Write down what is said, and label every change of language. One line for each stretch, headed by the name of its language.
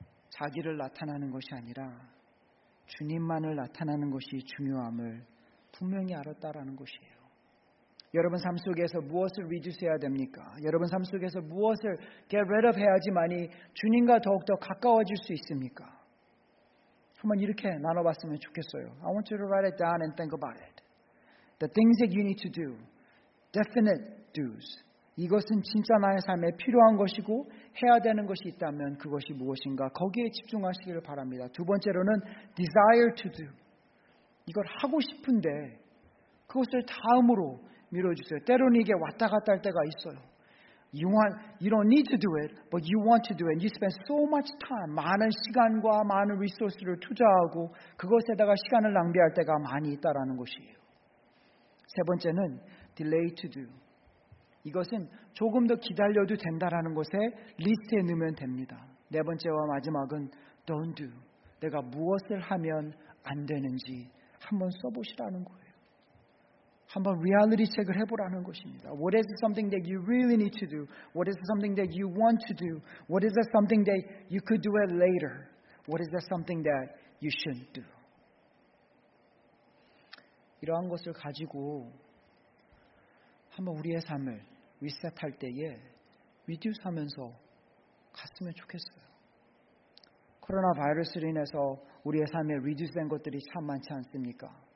Korean: 자기를 나타나는 것이 아니라 주님만을 나타나는 것이 중요함을 분명히 알았다라는 것이에요. 여러분 삶 속에서 무엇을 리듀스해야 됩니까? 여러분 삶 속에서 무엇을
English: get rid of
Korean: 해야지만이 주님과 더욱더 가까워질 수 있습니까? 한번 이렇게 나눠봤으면 좋겠어요.
English: I want you to write it down and think about it. The things that you need to do. Definite do's.
Korean: 이것은 진짜 나의 삶에 필요한 것이고 해야 되는 것이 있다면 그것이 무엇인가 거기에 집중하시기를 바랍니다. 두 번째로는
English: desire to do.
Korean: 이걸 하고 싶은데 그것을 다음으로 밀어주세요. 때로는 이게 왔다 갔다 할 때가 있어요.
English: You want, you don't need to do it, but you want to do it. You spend so much time,
Korean: 많은 시간과 많은 리소스를 투자하고 그것에다가 시간을 낭비할 때가 많이 있다라는 것이에요. 세 번째는
English: delay to do.
Korean: 이것은 조금 더 기다려도 된다라는 것에 리스트에 넣으면 됩니다. 네 번째와 마지막은
English: don't do.
Korean: 내가 무엇을 하면 안 되는지 한번 써보시라는 거예요. 한번 reality check을 해보라는 것입니다.
English: What is something that you really need to do? What is something that you want to do? What is something that you could do it later? What is something that you shouldn't do?
Korean: 이러한 것을 가지고 한번 우리의 삶을 리셋할 때에 reduce 하면서 갔으면 좋겠어요. 코로나 바이러스로 인해서 우리의 삶에 reduce 된 것들이 참 많지 않습니까?